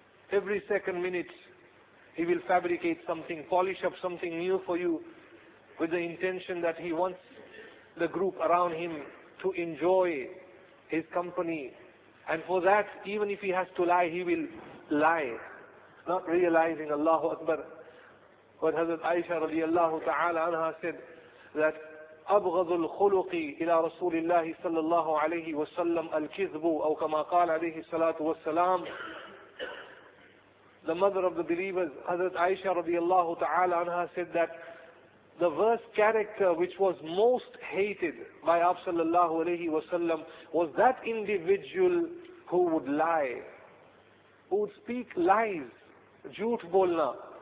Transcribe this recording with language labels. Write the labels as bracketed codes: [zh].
[en] Every second minute, he will fabricate something, polish up something new for you, with the intention that he wants the group around him to enjoy his company. And for that, even if he has to lie, he will lie, not realizing Allahu Akbar. What Hazrat Aisha radiallahu ta'ala anha said, that [ar] أبغض الخلق إلى رسول الله صلى الله عليه وسلم الكذب أو كما قال عليه الصلاة والسلام. [en] The mother of the believers, Hazrat Aisha radiallahu ta'ala anha, said that the worst character which was most hated by Aap sallallahu alayhi wa sallam was that individual who would lie, who would speak lies, [hi] jhoot bolna.